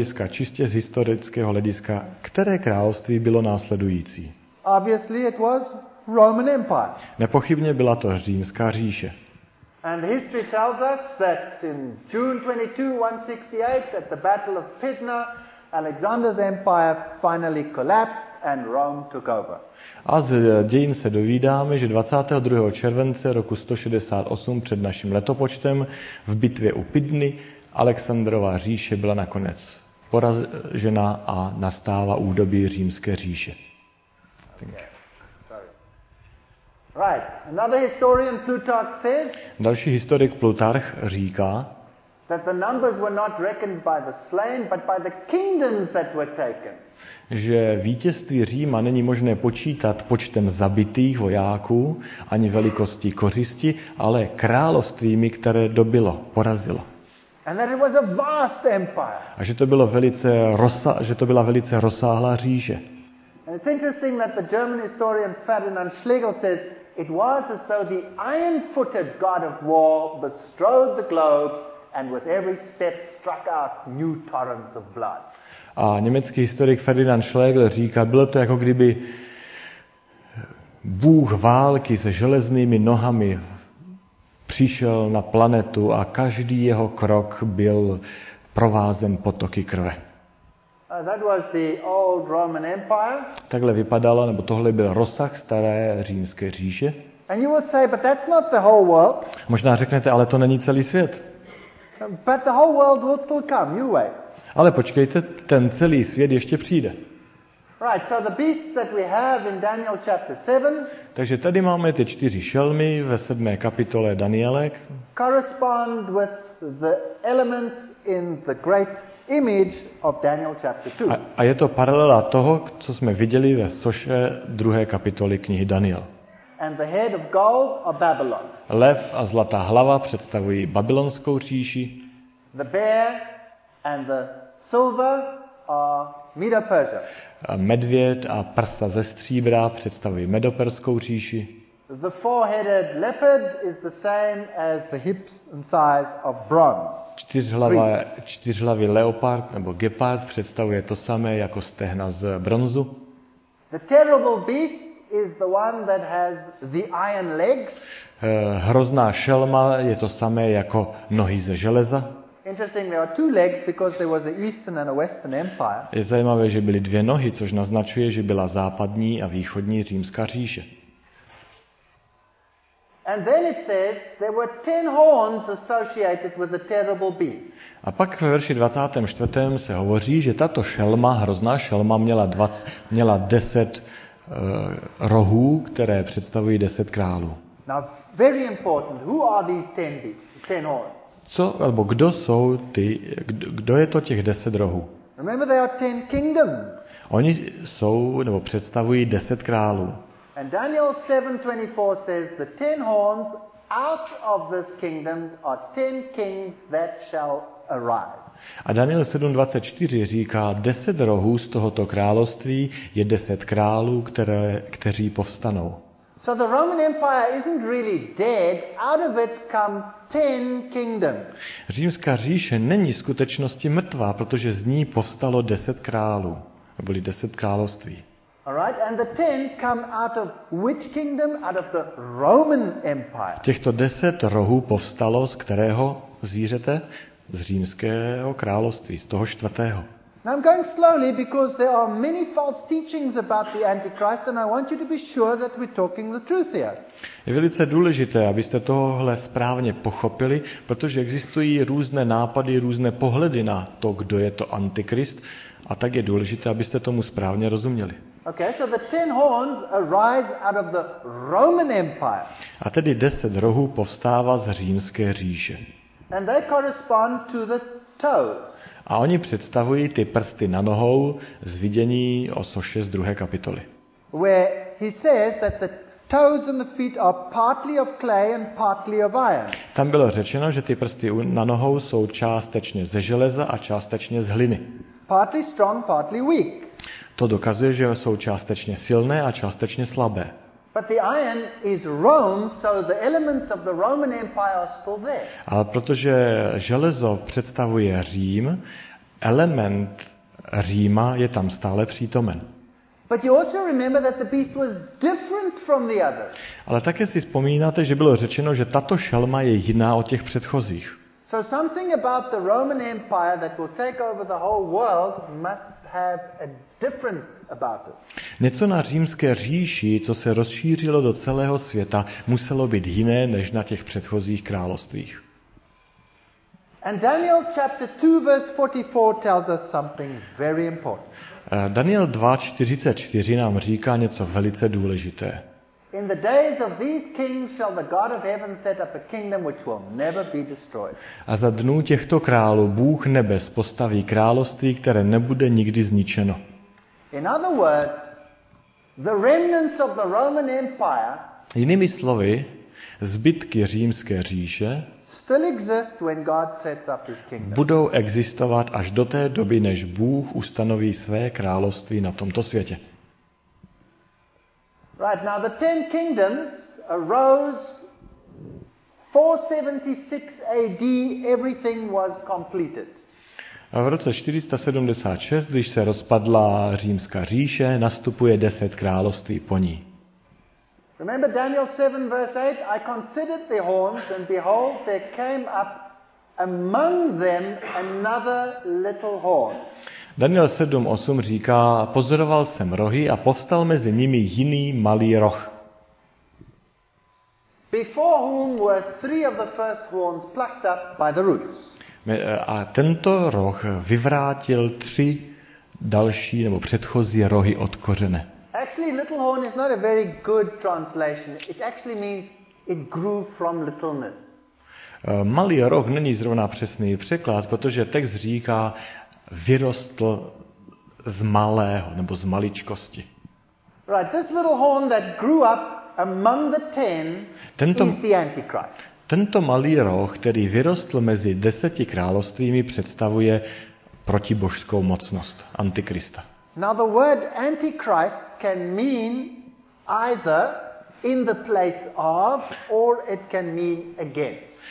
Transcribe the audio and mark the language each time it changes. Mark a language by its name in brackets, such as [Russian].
[Czech] Čistě z historického hlediska, které království bylo následující? [English] Obviously it was Roman Empire. [Czech] Nepochybně byla to Římská říše. [English] And history tells us that in June 22, 168, at the Battle of Pydna, Alexander's empire finally collapsed and Rome took over. [Czech] A z dějin se dovídáme, že 22. července roku 168 před naším letopočtem v bitvě u Pydny Alexandrova říše byla nakonec poražena a nastává údobí Římské říše. [English] Right. Another historian Plutarch says. [Czech] Další historik Plutarch říká, [English] that the numbers were not reckoned by the slain, but by the kingdoms that were taken. [Czech] Že vítězství Říma není možné počítat počtem zabitých vojáků ani velikostí kořisti, ale královstvími, které dobilo, porazilo. [English] And that it was a vast empire. [Czech] A že to bylo velice že to byla velice rozsáhlá říše. [English] And it's interesting that the German historian Ferdinand Schlegel says it was as though the iron-footed god of war bestrode the globe and with every step struck out new torrents of blood. [Czech] A německý historik Ferdinand Schlegel říká, bylo to jako kdyby bůh války se železnými nohami přišel na planetu a každý jeho krok byl provázen potoky krve. [English] That was the old Roman Empire. [Czech] Takhle vypadalo, nebo tohle byl rozsah staré Římské říše. [English] And you will say, but that's not the whole world. [Czech] Možná řeknete, ale to není celý svět. [English] But the whole world will still come. You wait. [Czech] Ale počkejte, ten celý svět ještě přijde. [English] Right, so the beasts that we have in Daniel chapter 7. [Czech] Takže tady máme ty čtyři šelmy ve 7. kapitole Daniele. [English] Correspond with the elements in the great image of Daniel chapter 2. [Czech] A je to paralela toho, co jsme viděli ve soše 2. kapitoly knihy Daniel. [English] And the head of gold of Babylon. [Czech] Lev a zlatá hlava představují babylonskou říši. [English] The bear and the silver are Medo-Persia. [Czech] Medvěd a prsa ze stříbra představují medoperskou říši. [English] The four-headed leopard is the same as the hips and thighs of bronze. [Czech] Čtyřhlavý leopard nebo gepard představuje to samé jako stehna z bronzu. [English] The terrible beast is the one that has the iron legs. [Czech] Hrozná šelma je to samé jako nohy ze železa. [English] Interesting, there are two legs because there was an Eastern and a Western empire. [Czech] Je zajímavé, že byly dvě nohy, což naznačuje, že byla západní a východní římská říše. [English] And then it says there were 10 horns associated with the terrible beast. [Czech] A pak ve verši 24. se hovoří, že tato šelma, hrozná šelma, měla 10 rohů, které představují 10 králů. [English] Now very important, who are these 10 horns? [Czech] Co, albo kdo jsou ty, kdo je to těch 10 rohů? [English] Remember they are 10 kingdoms. [Czech] Oni jsou nebo představují 10 králů. [English] And Daniel 7:24 says the 10 horns out of this kingdom are 10 kings that shall arise. [Czech] A Daniel 7:24 říká 10 rohů z tohoto království je 10 králů, kteří povstanou. [English] So the Roman Empire isn't really dead, out of it come 10 kingdoms. [Czech] Římská říše není v skutečnosti mrtvá, protože z ní povstalo 10 králů, byly 10 království. [English] All right, and the 10 come out of which kingdom? Out of the Roman Empire. [Czech] Těchto 10 rohů povstalo z kterého zvířete? Z římského království, z toho čtvrtého. [English] Now I'm going slowly because there are many false teachings about the Antichrist and I want you to be sure that we're talking the truth here. [Czech] Je velice důležité, abyste tohle správně pochopili, protože existují různé nápady, různé pohledy na to, kdo je to Antikrist, a tak je důležité, abyste tomu správně rozuměli. [English] Okay, so the 10 horns arise out of the Roman Empire. [Czech] A tedy 10 rohů povstává z římské říše. [English] And they correspond to the toes. [Czech] A oni představují ty prsty na nohou z vidění o soše z 2. kapitoly. [English] Where he says that the toes and the feet are partly of clay and partly of iron. [Czech] Tam bylo řečeno, že ty prsty na nohou jsou částečně ze železa a částečně z hliny. [English] Partly strong, partly weak. [Czech] To dokazuje, že jsou částečně silné a částečně slabé. [English] But the iron is Rome, so the elements of the Roman Empire are still there. [Czech] Ale protože železo představuje Řím, element Říma je tam stále přítomen. [English] But you also remember that the beast was different from the others. [Czech] Ale také si vzpomínáte, že bylo řečeno, že tato šelma je jiná od těch předchozích. [English] So something about the Roman Empire that will take over the whole world must have a difference about it. [Czech] Něco na římské říši, co se rozšířilo do celého světa, muselo být jiné než na těch předchozích královstvích. [English] And Daniel chapter 2 verse 44 tells us something very important. [Czech] Daniel 2:44 nám říká něco velice důležité. [English] In the days of these kings shall the God of heaven set up a kingdom which will never be destroyed. [Czech] A za dnů těchto králů Bůh nebes postaví království, které nebude nikdy zničeno. [English] In other words, the remnants of the Roman Empire. [Czech] Jinými slovy, zbytky římské říše [English] still exist when God sets up his kingdom. [Czech] Budou existovat až do té doby, než Bůh ustanoví své království na tomto světě. [English] Right, now the ten kingdoms arose 476 AD, everything was completed. [Czech] A v roce 476, když se rozpadla římská říše, nastupuje 10 království po ní. [English] Remember Daniel 7 verse 8, I considered the horns and behold there came up among them another little horn. [Czech] Daniel 7:8 říká, pozoroval jsem rohy a povstal mezi nimi jiný malý roh. [English] Before whom were three of the first horns plucked up by the roots. [Czech] A tento roh vyvrátil tři další nebo předchozí rohy od kořene. [English] Actually, little horn is not a very good translation. It actually means it grew from littleness. [Czech] Malý roh není zrovna přesný překlad, protože text říká vyrostl z malého nebo z maličkosti. [English] Right, this little horn that grew up among the ten is the Antichrist. [Czech] Tento malý roh, který vyrostl mezi deseti královstvími, představuje protibožskou mocnost Antikrista. [English] Now the word antichrist can mean either in the place of or it can mean against.